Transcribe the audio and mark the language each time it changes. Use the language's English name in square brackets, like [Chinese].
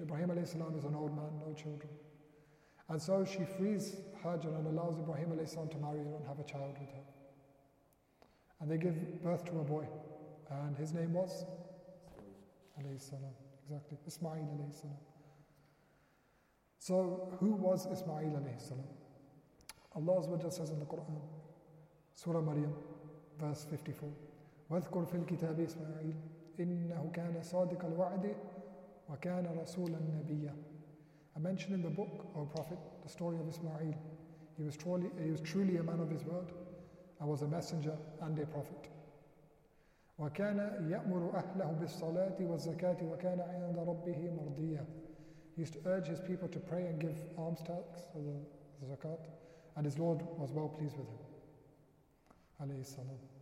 [English] Ibrahim alayhi salam is an old man, no children. And so she frees Hajar and allows Ibrahim alayhi salam to marry her and have a child with her. And they give birth to a boy, and his name was alayhi salam, exactly, Ismail alayhi salam. So who was Ismail alayhi salam? Allah says in the Quran, Surah Maryam, verse 54, [Arabic] وَذْكُرْ فِي الْكِتَابِ إِسْمَعِيلِ إِنَّهُ كَانَ صَادِقَ الْوَعْدِ وَكَانَ رَسُولًا نَبِيًّا. [English] I mention in the book, O Prophet, the story of Ismail. He was truly a man of his word, and was a messenger and a prophet. [Arabic] وَكَانَ يَأْمُرُ أَهْلَهُ بِالصَّلَاةِ وَالزَّكَاةِ وَكَانَ عِنْدَ رَبِّهِ مَرْضِيًّا. [English] He used to urge his people to pray and give alms tax, or the zakat, and his Lord was well pleased with him. Alayhi salam.